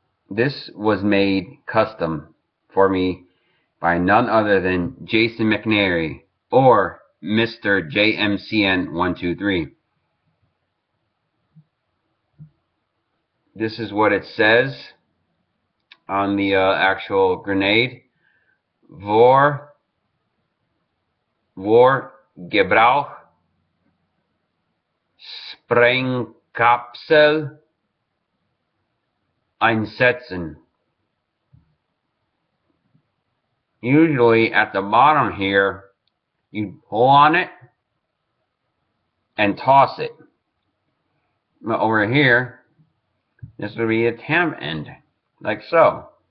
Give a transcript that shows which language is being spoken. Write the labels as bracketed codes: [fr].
[en] This was made custom for me by none other than Jason McNary or Mr. JMCN123. This is what it says on the actual grenade. [de] Vor Gebrauch Sprengkapsel einsetzen. [en] Usually at the bottom here, you pull on it and toss it. But over here, this would be a tamp end, like so.